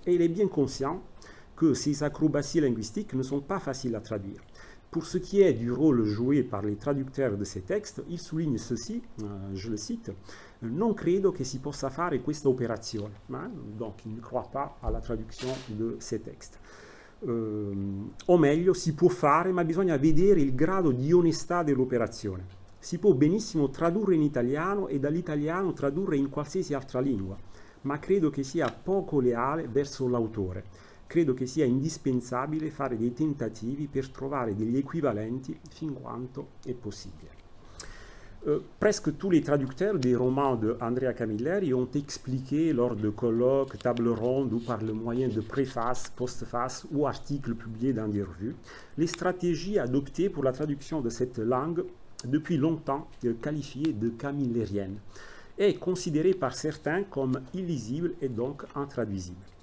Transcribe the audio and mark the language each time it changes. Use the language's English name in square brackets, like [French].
[French] Et il est bien conscient que ces acrobaties linguistiques ne sont pas faciles à traduire. Pour ce qui est du rôle joué par les traducteurs de ces textes, il souligne ceci, je le cite, [Italian] Non credo che si possa fare questa operazione. [French] Donc, il ne croit pas à la traduction de ces textes. [Italian] O meglio, si può fare, ma bisogna vedere il grado di onestà dell'operazione. Si può benissimo tradurre in italiano e dall'italiano tradurre in qualsiasi altra lingua, ma credo che sia poco leale verso l'autore. Credo che sia indispensabile fare dei tentativi per trovare degli equivalenti fin quanto è possibile. [French] Presque tous les traducteurs des romans de Andrea Camilleri ont expliqué lors de colloques, tables rondes ou par le moyen de préfaces, postfaces ou articles publiés dans des revues, les stratégies adoptées pour la traduction de cette langue depuis longtemps qualifiée de camillérienne et considérée par certains comme illisible et donc intraduisible.